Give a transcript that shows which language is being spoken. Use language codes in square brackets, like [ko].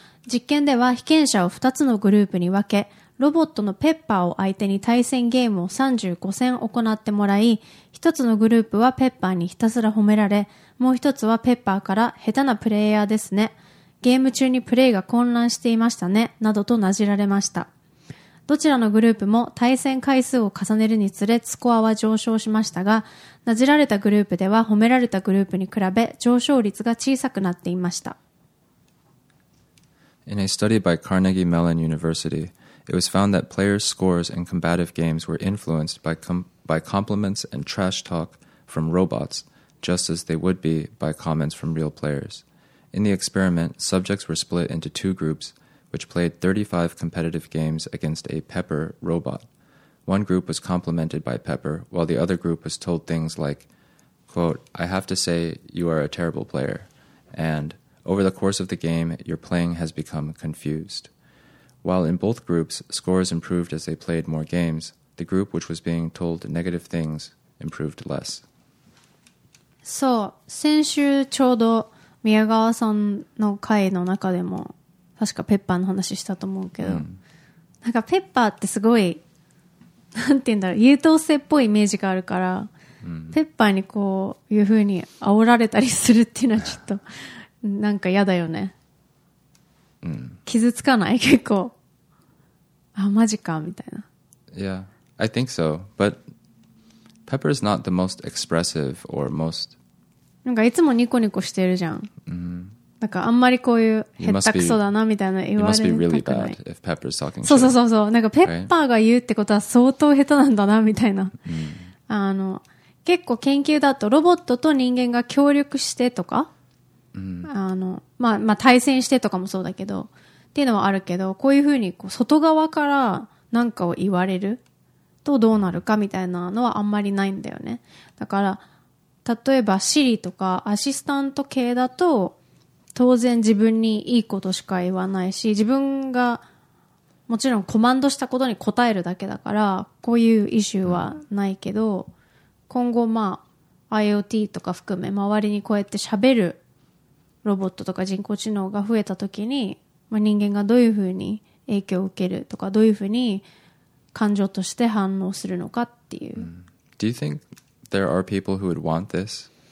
[ja] 実験では被験者を2つのグループに分け、ロボットのペッパーを相手に対戦ゲームを35戦行ってもらい、1つのグループはペッパーにひたすら褒められ、もう1つはペッパーから下手なプレイヤーですね、ゲーム中にプレイが混乱していましたね、などとなじられました。どちらのグループも対戦回数を重ねるにつれスコアは上昇しましたが、なじられたグループでは褒められたグループに比べ上昇率が小さくなっていました。 [en] In a study by Carnegie Mellon University, it was found that players' scores in combative games were influenced by compliments and trash talk from robots, just as they would be by comments from real players. In the experiment, subjects were split into two groups, which played 35 competitive games against a Pepper robot. One group was complimented by Pepper, while the other group was told things like, quote, I have to say, you are a terrible player, and... Over the course of the game, your playing has become confused. While in both groups, scores improved as they played more games, the group which was being told negative things improved less. [ja] そう、先週ちょうど宮川さんの回の中でも確かペッパーの話したと思うけど、うん、なんかペッパーってすごい、なんて言うんだろう、優等生っぽいイメージがあるから、うん、ペッパーにこういう風に煽られたりするっていうのはちょっとなんか嫌だよね、うん、傷つかない結構あマジかみたいな [en] Yeah, I think so But Pepper is not the most expressive or most [ja] なんかいつもニコニコしてるじゃん、 mm-hmm. なんかあんまりこういうヘッタクソだなみたいな言われたくない [en] You must be really bad if Pepper is talking to you [ja] そうそうそうなんかペッパーが言うってことは相当下手なんだなみたいな、 mm-hmm. 結構研究だとロボットと人間が協力してとかまあ、対戦してとかもそうだけどっていうのはあるけどこういうふうにこう外側からなんかを言われるとどうなるかみたいなのはあんまりないんだよねだから例えばシリとかアシスタント系だと当然自分にいいことしか言わないし自分がもちろんコマンドしたことに答えるだけだからこういうイシューはないけど今後まあ IoT とか含め周りにこうやって喋るロボットとか人工知能が増えたときに、まあ、人間がどういうふうに影響を受けるとかどういうふうに感情として反応するのかっていう、mm. [en] Do you think there are people who would want this?